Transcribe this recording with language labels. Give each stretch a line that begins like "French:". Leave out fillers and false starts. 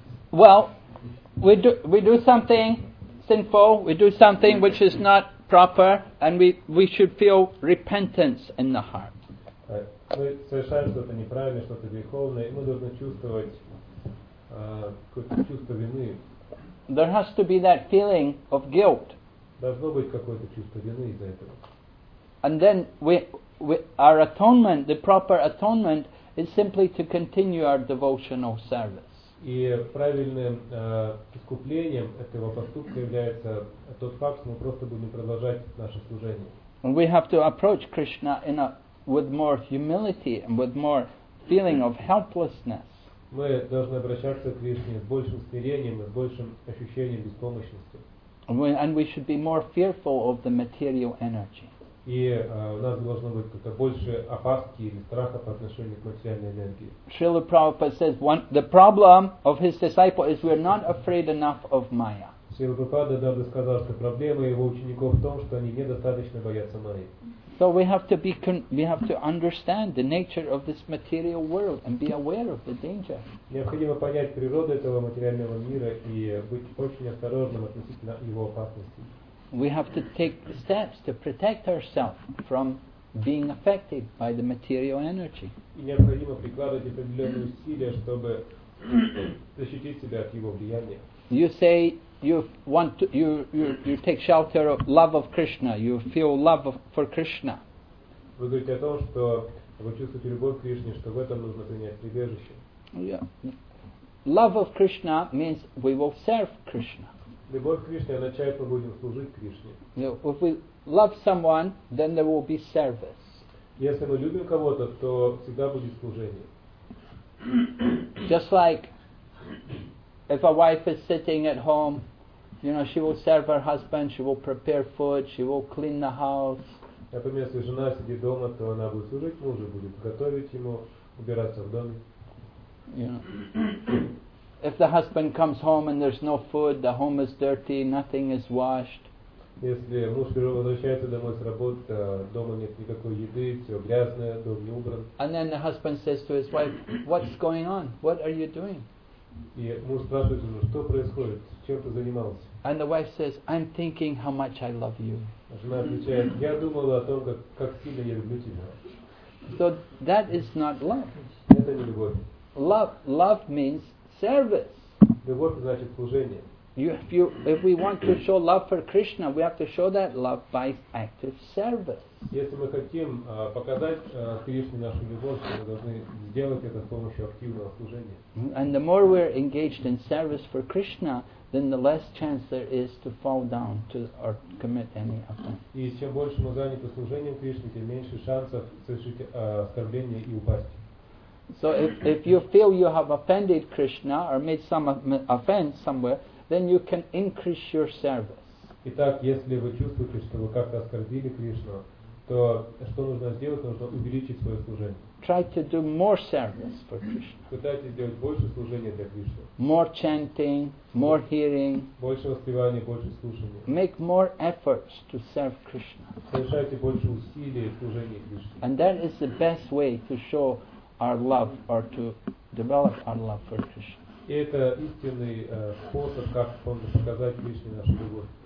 English: Well, we do something sinful, we do something which is not proper, and we should feel repentance in the heart.
Russian: Мы совершаем что-то неправильное, что-то греховное, и мы должны чувствовать какое-то чувство вины.
English: There has to be that feeling of guilt.
Russian: Должно быть какое-то чувство вины из-за этого.
English: And then our atonement, the proper atonement, is simply to continue our devotional service.
Russian: И правильным искуплением этого поступка является тот факт, что мы просто будем продолжать наше служение.
English: We have to approach Krishna with more humility and with more feeling of helplessness.
Russian: Мы должны обращаться к Кришне с большим смирением и с большим ощущением беспомощности.
English: And we should be more fearful of the material energy.
Russian: И у нас должно быть как-то больше опаски или страха по отношению к материальной энергии.
English: Шрила Прабхупада says, the problem of his disciple is we're not afraid enough of Maya.
Russian: Шрила Прабхупада даже сказал, что проблема его учеников в том, что они недостаточно боятся Майи.
English: So we have to understand the nature of this material world and be aware of the danger.
Russian: Необходимо понять природу этого материального мира и быть очень осторожным относительно его опасности.
English: We have to take steps to protect ourselves from being affected by the material energy.
Russian: И необходимо прикладывать определенные усилия, чтобы защитить себя от его влияния.
English: You say you want to, you take shelter of love of Krishna. You feel love for Krishna.
Russian: Вы говорите о том, что вы чувствуете любовь к Кришне, что в этом нужно принять прибежище.
English: Yeah. Love of Krishna means we will serve Krishna.
Russian: Любовь к Кришне означает, мы будем служить Кришне.
English: You know, if we love someone, then there will be service.
Russian: Если мы любим кого-то, то всегда будет служение.
English: Just like if a wife is sitting at home, you know, she will serve her husband, she will prepare food, she will clean the house.
Russian: Например, если жена сидит дома, то она будет служить мужу, будет готовить ему, убираться в доме.
English: You know. If the husband comes home and there's no food, the home is dirty, nothing is washed.
Russian: Если муж возвращается домой с работы, дома нет никакой еды, все грязное, дом не убран.
English: And then the husband says to his wife, "What's going on? What are you doing?"
Russian: И муж спрашивает жену, что происходит, чем ты занимался?
English: And the wife says, "I'm thinking how much I love you."
Russian: Жена отвечает, я думала о том, как сильно я люблю тебя.
English: So that is not love.
Russian: Это не любовь.
English: Love means service.
Russian: Любовь значит служение.
English: If we want to show love for Krishna, we have to show that love by active service.
Russian: Если мы хотим показать Кришне нашу любовь, то мы должны сделать это с помощью активного служения.
English: And the more we're engaged in service for Krishna, then the less chance there is to fall down to or commit any offense.
Russian: И чем больше мы заняты служением Кришне, тем меньше шансов совершить оскорбление и упасть.
English: So if you feel you have offended Krishna or made some offense somewhere, then you can increase your service.
Russian: Итак, если вы чувствуете, что вы как-то оскорбили Кришну, то что нужно сделать? Нужно увеличить свое служение.
English: Try to do more service for Krishna.
Russian: Пытайтесь сделать больше служения для Кришны.
English: More chanting, more hearing.
Russian: Больше воспевания, больше слушания.
English: Make more efforts to serve Krishna.
Russian: Совершайте больше усилий в служении Кришне.
English: And that is the best way to show our love or to develop our love for Krishna.
Russian: И это истинный способ, как показать Кришне нашу любовь.